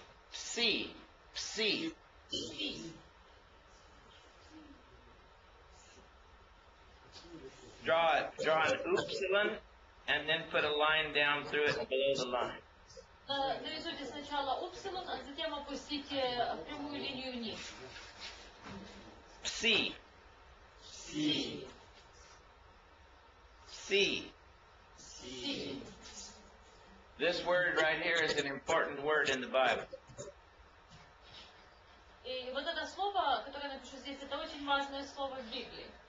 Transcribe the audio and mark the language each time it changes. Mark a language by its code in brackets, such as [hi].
[en] C, C. Draw an upsilon, and then put a line down through it below the line. [ru] Нарисуйте сначала upsilon, а затем опустите прямую линию вниз. C. C. C. C. [en] This word right here is an important word in the Bible. [ru] И вот это слово, которое я напишу здесь, это очень важное слово в Библии.